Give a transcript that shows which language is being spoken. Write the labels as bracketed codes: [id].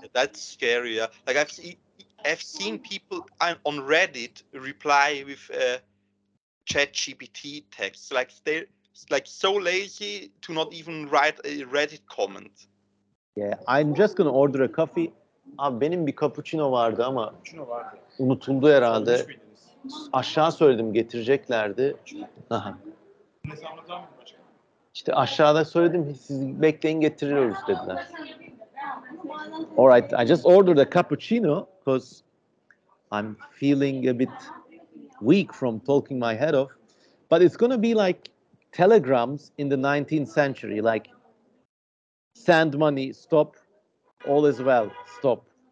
[en] That's scary, yeah. Like, I've seen people on Reddit reply with ChatGPT texts. Like, they're like so lazy to not even write a Reddit comment. Yeah, I'm just going to order a coffee. [tr] Abi benim bir cappuccino vardı ama unutuldu herhalde. Aşağı söyledim getireceklerdi. Aha. İşte aşağıda söyledim siz bekleyin getiriyoruz dediler. [en] All right, I just ordered a cappuccino because I'm feeling a bit weak from talking my head off. But it's gonna be like telegrams in the 19th century, like send money, stop, all is well, stop.